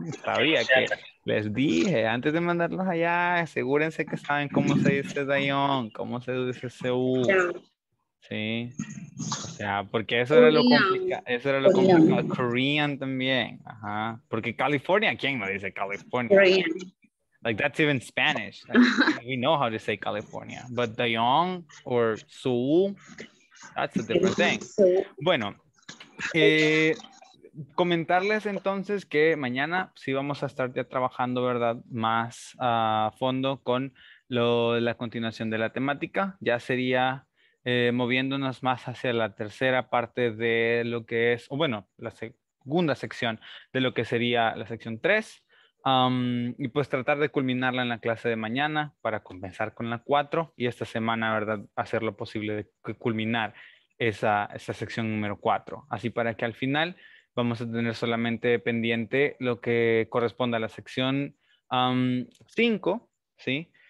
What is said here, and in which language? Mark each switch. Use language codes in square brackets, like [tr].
[es] Sabía que les dije, antes de mandarlos allá, asegúrense que saben cómo se dice Dayon, cómo se dice Seúl. Sí, o sea, porque eso era lo complicado, eso era lo complicado. Korean también, ajá, porque California, ¿quién me dice California? [en] Korean. Like, that's even Spanish, like, we know how to say California, but Dayon or Seoul, that's a different thing. [es] Bueno, comentarles entonces que mañana sí vamos a estar ya trabajando, ¿verdad?, más a fondo con lo de la continuación de la temática, ya sería... moviéndonos más hacia la tercera parte de lo que es, o bueno, la segunda sección de lo que sería la sección 3, y pues tratar de culminarla en la clase de mañana para comenzar con la 4 y esta semana, ¿verdad?, hacer lo posible de culminar esa sección número 4, así para que al final vamos a tener solamente pendiente lo que corresponde a la sección 5, ¿sí?